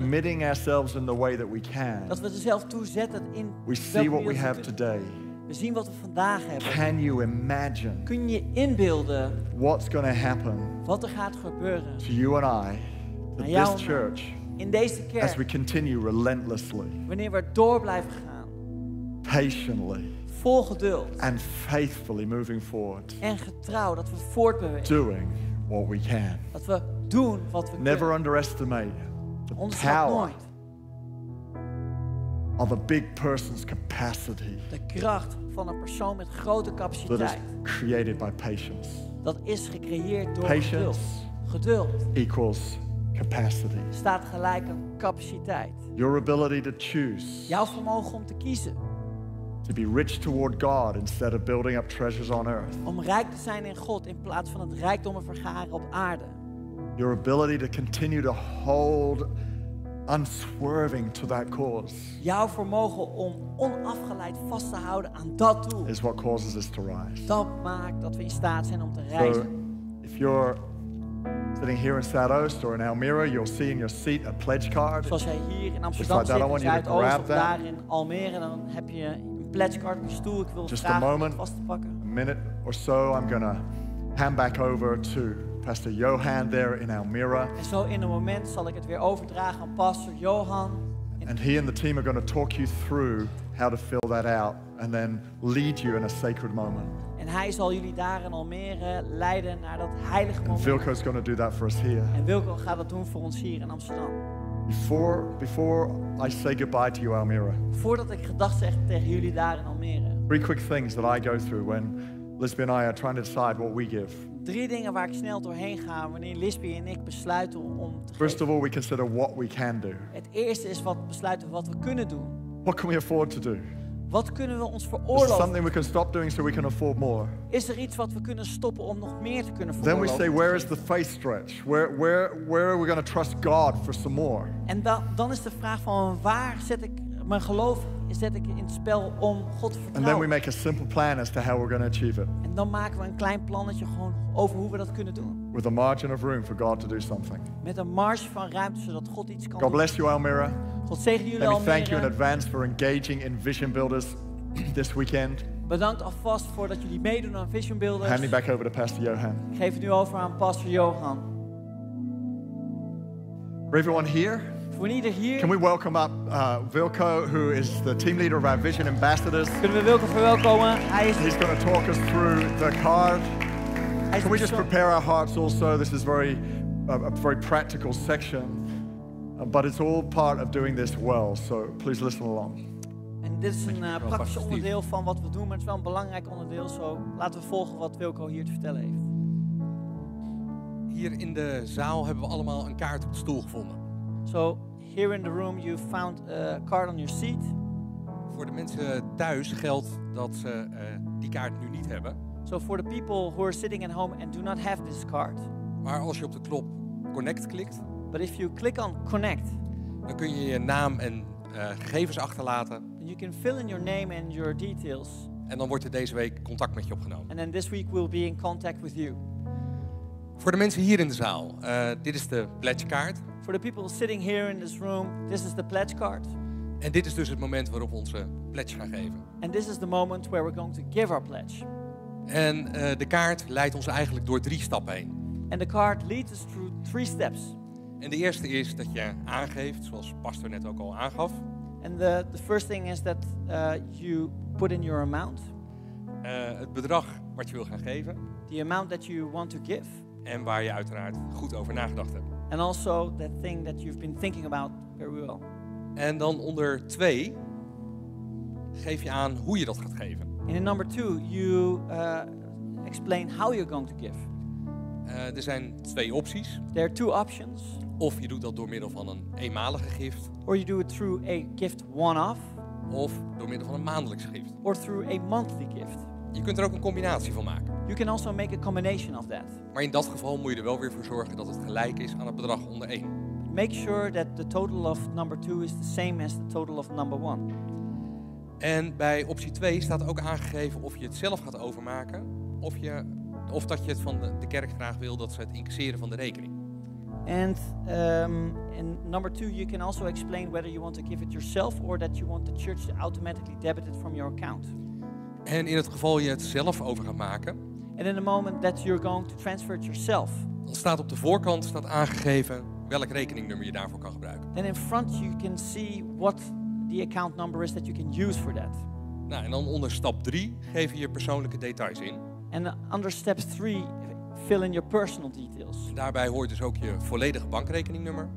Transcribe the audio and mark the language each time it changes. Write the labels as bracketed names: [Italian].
[English] Committing ourselves in the way that we can. [Dutch] Dat we onszelf toezetten in. [English] We see what we have today. [Dutch] We zien wat we vandaag hebben. [English] Can you imagine? [Dutch] Kun je inbeelden? [English] What's going to happen? [Dutch] Wat er gaat gebeuren? [English] To you and I, to this church. [Dutch] In deze kerk. [English] As we continue relentlessly. [Dutch] Wanneer we door blijven gaan. [English] Patiently. [Dutch] Vol geduld. [English] And faithfully moving forward. [Dutch] En getrouw dat we voortbewegen. [English] Doing what we can. [Dutch] Dat we doen wat we [English] never [Dutch] kunnen. [English] Underestimate the power of a big person's capacity. [Dutch] De kracht van een persoon met grote capaciteit. [English] That is created by patience. [Dutch] Dat is gecreëerd door [English] patience [Dutch] geduld. [English] Equals capacity. [Dutch] Staat gelijk aan capaciteit. [English] Your ability to choose. [Dutch] Jouw vermogen om te kiezen. [English] To be rich toward God instead of building up treasures on earth. [Dutch] Om rijk te zijn in God in plaats van het rijkdommen vergaren op aarde. [English] Your ability to continue to hold unswerving to that cause. [Dutch] Jouw vermogen om onafgeleid vast te houden aan dat doel. [English] Is what causes us to rise. [Dutch] Dat maakt dat we in staat zijn om te rijzen. [English] So, if you're sitting here in Zuidoost or in Almere, you'll see in your seat a pledge card. [Dutch] Zoals jij hier in Amsterdam zit, in Zuidoost of daar in Almere, dan heb je pledge card op je stoel. Ik wil [English] just a moment, [Dutch] vast te pakken. [English] A minute or so, I'm gonna hand back over to Pastor Johan there in Almere. [Dutch] En zo in een moment zal ik het weer overdragen aan Pastor Johan. [English] And he and the team are gonna talk you through how to fill that out and then lead you in a sacred moment. [Dutch] En hij zal jullie daar in Almere leiden naar dat heilige moment. [English] And Wilco's gonna do that for us here. [Dutch] En Wilco gaat dat doen voor ons hier in Amsterdam. [English] Before I say goodbye to you, Almere. [Dutch] Voordat ik gedag zeg tegen jullie daar in Almere. [English] Three quick things that I go through when Lisbeth and I are trying to decide what we give. [Dutch] Drie dingen waar ik snel doorheen ga wanneer Lisbeth en ik besluiten om te geven. [English] First of all, we consider what we can do. [Dutch] Het eerste is wat besluiten wat we kunnen doen. [English] What can we afford to do? [Dutch] Wat kunnen we ons veroorloven? [English] Is something we can stop doing so we can afford more. [Dutch] Is er iets wat we kunnen stoppen om nog meer te kunnen veroorloven? [English] Then we say, where is the faith stretch? Where are we going to trust God for some more? [Dutch] En dan is de vraag van waar zet ik mijn geloof zet ik in het spel om God te vertrouwen? [English] And then we make a simple plan as to how we're going to achieve it. [Dutch] En dan maken we een klein plannetje gewoon over hoe we dat kunnen doen. [English] With a margin of room for God to do something. [Dutch] Met een marge van ruimte zodat God iets kan doen. [English] God bless you, Almere. [Dutch] God zegen jullie, [English] Almere. Let me thank you in advance for engaging in Vision Builders this weekend. [Dutch] Bedankt alvast voor dat jullie meedoen aan Vision Builders. [English] Hand me back over to Pastor Johan. [Dutch] Ik geef het nu over aan Pastor Johan. [English] For everyone here. We need to hear. Can we welcome up Wilco, who is the team leader of our Vision Ambassadors? [Dutch] Kunnen we Wilco verwelkomen? [English] He's going to talk us through the card. Can we just prepare our hearts also? This is a very practical section. But it's all part of doing this well, so please listen along. [Dutch] En dit is een praktisch onderdeel van wat we doen, maar het is wel een belangrijk onderdeel. Zo laten we volgen wat Wilco hier te vertellen heeft. Hier in de zaal hebben we allemaal een kaart op de stoel gevonden. [English] So, here in the room you found a card on your seat. [Dutch] Voor de mensen thuis geldt dat ze die kaart nu niet hebben. [English] So for the people who are sitting at home and do not have this card. [Dutch] Maar als je op de knop connect klikt. [English] But if you click on connect, [Dutch] dan kun je je naam en gegevens achterlaten. [English] And you can fill in your name and your details. [Dutch] En dan wordt er deze week contact met je opgenomen. [English] And then this week we'll be in contact with you. [Dutch] Voor de mensen hier in de zaal, dit is de pledgekaart. [English] For the people sitting here in this room, this is the pledge card. [Dutch] En dit is dus het moment waarop we onze pledge gaan geven. [English] And this is the moment where we're going to give our pledge. [Dutch] En de kaart leidt ons eigenlijk door drie stappen heen. [English] And the card leads us through three steps. [Dutch] En de eerste is dat je aangeeft, zoals pastor net ook al aangaf. [English] And the first thing is that you put in your amount. [Dutch] Het bedrag wat je wil gaan geven. [English] The amount that you want to give. [Dutch] En waar je uiteraard goed over nagedacht hebt. [English] And also the thing that you've been thinking about very well. [Dutch] En dan onder twee geef je aan hoe je dat gaat geven. [English] And in number two, you explain how you're going to give. [Dutch] Er zijn twee opties. [English] There are two options. [Dutch] Of je doet dat door middel van een eenmalige gift. [English] Or you do it through a gift one-off. [Dutch] Of door middel van een maandelijks gift. [English] Or through a monthly gift. [Dutch] Je kunt er ook een combinatie van maken. [English] You can also make a combination of that. [Dutch] Maar in dat geval moet je er wel weer voor zorgen dat het gelijk is aan het bedrag onder één. [English] Make sure that the total of number two is the same as the total of number one. [Dutch] En bij optie 2 staat ook aangegeven of je het zelf gaat overmaken. Of dat je het van de kerk graag wil dat ze het incasseren van de rekening. [English] And in number 2 you can also explain whether you want to give it yourself or that you want the church to automatically debit it from your account. [Dutch] En in het geval je het zelf over gaat maken. [English] And in the moment that you're going to transfer it yourself. [Dutch] Dan staat op de voorkant staat aangegeven welk rekeningnummer je daarvoor kan gebruiken. [English] Then in front you can see what the account number is that you can use for that. [Dutch] Nou, en dan onder stap 3 geef je je persoonlijke details in. [English] And under step 3 fill in your personal details. [Dutch] Daarbij hoort dus ook je volledige bankrekeningnummer.